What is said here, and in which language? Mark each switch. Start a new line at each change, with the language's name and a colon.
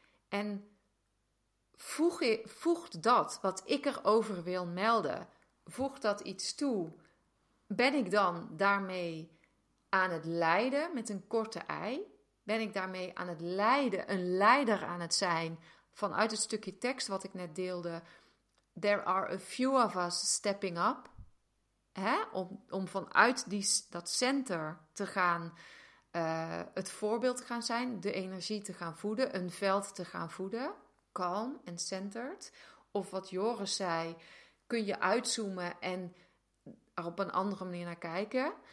Dutch: En voegt dat wat ik erover wil melden, voegt dat iets toe? Ben ik dan daarmee aan het lijden met een korte ei? Ben ik daarmee aan het lijden, een leider aan het zijn, vanuit het stukje tekst wat ik net deelde,
English: there are a few of us stepping up.
Dutch: Hè? Om vanuit dat center te gaan, het voorbeeld te gaan zijn. De energie te gaan voeden, een veld te gaan voeden. Calm en centered. Of wat Joris zei, kun je uitzoomen en er op een andere manier naar kijken.